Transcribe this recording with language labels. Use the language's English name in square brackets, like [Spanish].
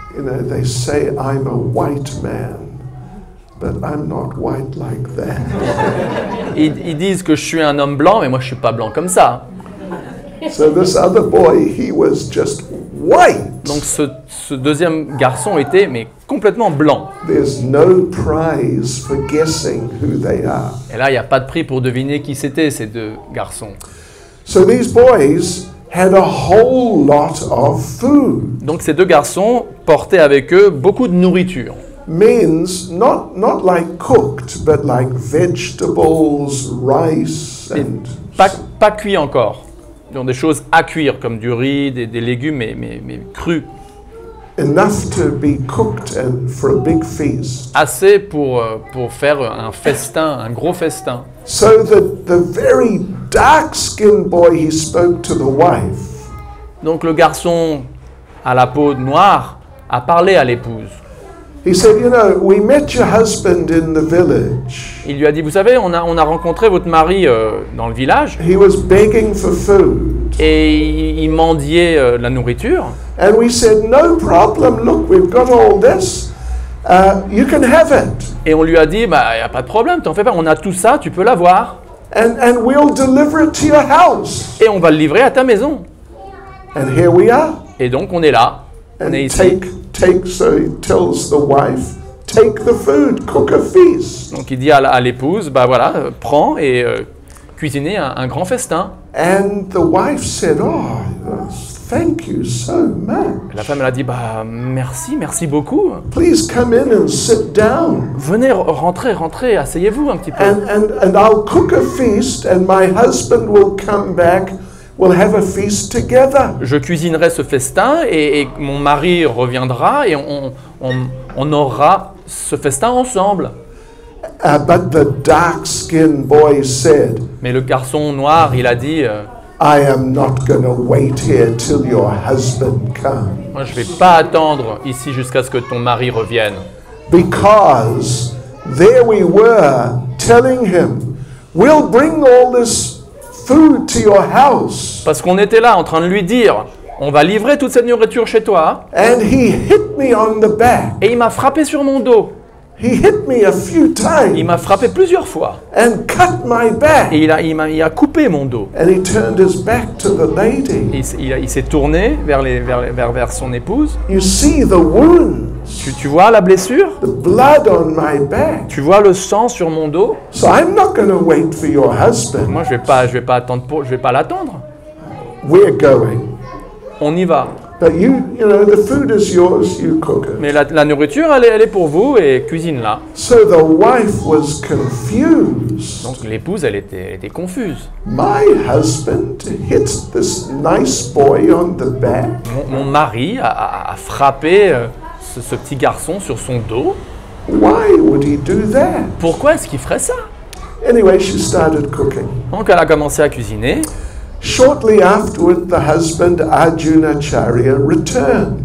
[English] You know, they say I'm a white man. But I'm not white like that. [French] Ils disent que je suis un homme blanc, mais moi je suis pas blanc comme ça. [English] So this other boy, he was just white. [French] Donc ce deuxième garçon était mais complètement blanc. [English] There's no prize for guessing who they are. [French] Et là, il y a pas de prix pour deviner qui c'était ces deux garçons. [English] So these boys had a whole lot of food. [French] Donc ces deux garçons portaient avec eux beaucoup de nourriture. [English] Means not like cooked, but like vegetables, rice and [French] pas cuit encore. Donc des choses à cuire comme du riz, des légumes mais crus. [English] Enough to be cooked and for a big feast. [French] Assez pour faire un festin, un gros festin. [English] So the very dark-skinned boy, he spoke to the wife. [French] Donc le garçon à la peau noire a parlé à l'épouse. [English] He said, you know, we met your husband in the village. [French] Il lui a dit, vous savez, on a rencontré votre mari dans le village. [English] He was begging for food. [French] Et il mendiait la nourriture. [English] And we said, no problem. Look, we've got all this. You can have it. [French] Et on lui a dit, bah, y a pas de problème. T'en fais pas. On a tout ça. Tu peux l'avoir. [English] And we'll deliver it to your house. [French] Et on va le livrer à ta maison. [English] And here we are. [French] Et donc on est là. On [English] and [French] est ici. [English] Take, so he tells the wife, take the food, cook a feast. [French] Donc il dit à l'épouse, bah voilà, prends et cuisinez un grand festin. [English] And the wife said, oh, thank you so much. [French] La femme elle a dit, bah merci beaucoup. [English] Please come in and sit down. [French] Venez rentrer, asseyez-vous un petit peu. [English] And I'll cook a feast and my husband will come back. We'll have a feast together. [French] Je cuisinerai ce festin et mon mari reviendra et on aura ce festin ensemble. [English] But the dark-skinned boy said, [French] mais le garçon noir, il a dit, [English] I am not gonna wait here till your husband comes. [French] Moi, je ne vais pas attendre ici jusqu'à ce que ton mari revienne. [English] Because there we were telling him, we'll bring all this food to your house. [French] Parce qu'on était là en train de lui dire, on va livrer toute cette nourriture chez toi. [English] And he hit me on the back. [French] Et il m'a frappé sur mon dos. [English] He hit me a few times. [French] Il m'a frappé plusieurs fois. [English] And cut my back. [French] Et il a coupé mon dos. [English] And he turned his back to the lady. [French] Il s'est tourné vers son épouse. [English] You see the wounds. [French] Tu vois la blessure? [English] The blood on my back. [French] Tu vois le sang sur mon dos? [English] So I'm not going to wait for your husband. [French] Moi je vais pas l'attendre. [English] We're going. [French] On y va. [English] But you know, the food is yours, you cook it. [French] Mais la nourriture, elle est pour vous et cuisine-la. [English] So the wife was confused. [French] Donc l'épouse, elle était confuse. [English] My husband hit this nice boy on the back. [French] Mon mari a frappé ce petit garçon sur son dos. [English] Why would he do that? [French] Pourquoi est-ce qu'il ferait ça? [English] Anyway, she started cooking. [French] Donc elle a commencé à cuisiner. [English] Shortly afterward, the husband Arjunacharya returned.